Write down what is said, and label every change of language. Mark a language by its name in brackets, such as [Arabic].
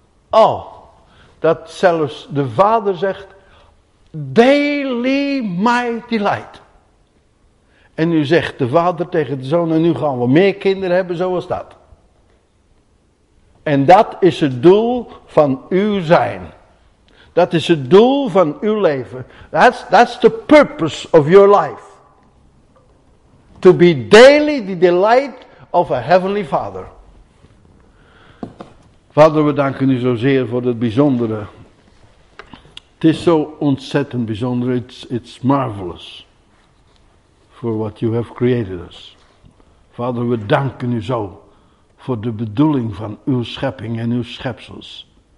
[Dutch] Oh, dat zelfs de vader zegt: [English] daily my delight. [Dutch] En nu zegt de vader tegen de zoon: en nu gaan we meer kinderen hebben zoals dat. En dat is het doel van uw zijn. Dat is het doel van uw leven. [English] That's the purpose of your life. To be daily the delight of a heavenly father. [Dutch] Vader, we danken u zozeer voor het bijzondere. Het is zo ontzettend bijzonder. [English] It's marvelous. For what you have created us. [Dutch] Vader, we danken u zo. Voor de bedoeling van uw schepping en uw schepsels.